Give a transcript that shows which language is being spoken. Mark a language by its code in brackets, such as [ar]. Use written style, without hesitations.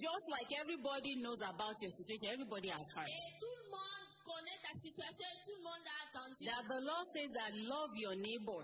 [en] Just like everybody knows about your situation, everybody has heard. [fr] Et tout le monde connaît ta situation, tout le monde a attendu. [en] That the law says that love your neighbor.